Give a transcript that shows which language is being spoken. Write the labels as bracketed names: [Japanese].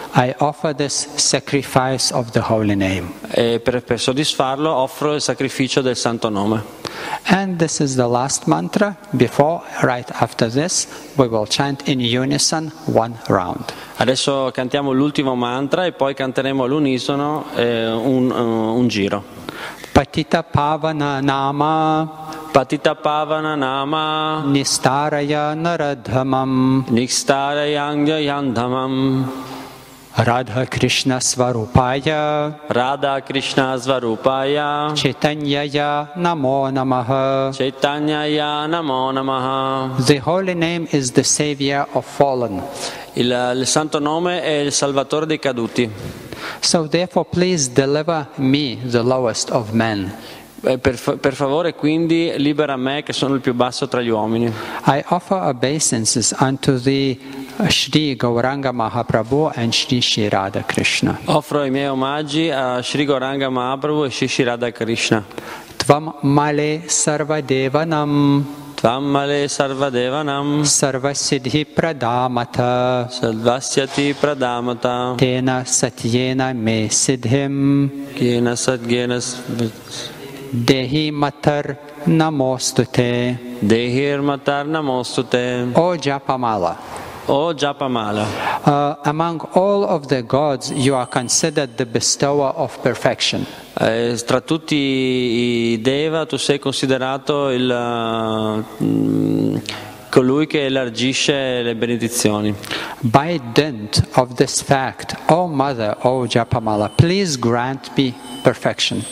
[English] I offer this sacrifice of the holy name. [Italian] E per soddisfarlo offro il sacrificio del santo nome. [English] And this is the last mantra. Before, right after this, we will chant in unison one round. [Italian] Adesso cantiamo l'ultimo mantra e poi canteremo all'unisono un giro. [Sanskrit] Patita pavana nama. Patita pavana nama. Nistaraya naradhamam. Nistaraya yandhamam. Radha Krishna Svarupaya. Radha Krishna Svarupaya. Chaitanyaya Namo Namaha. Chaitanyaya Namo Namaha. [English] The holy name is the savior of fallen. [Italian] Il santo nome è il salvatore dei caduti. [English] So therefore please deliver me, the lowest of men. [Italian] Per favore quindi libera me che sono il più basso tra gli uomini. [English] I offer obeisances unto the Shri Gauranga Mahaprabhu and Shri Shri Radha Krishna. [Italian] Offro i miei omaggi a Shri Gauranga Mahaprabhu e Shri Shri Radha Krishna. [Sanskrit] Tvam male sarva devanam. Tvam male sarva devanam. Sarvasiddhi pradamata. Sarvasiddhi pradamata. Tena satyena me siddhim. Tena satyena siddhim. Dehi matar namostute. Dehi matar namostute. O Japamala. O Japamala. [English] Among all of the gods, you are considered the bestower of perfection. [Italian] Tra tutti i deva, tu sei considerato il colui che elargisce le benedizioni. [English] By dint of this fact, O Mother, O Japamala, please grant me perfection.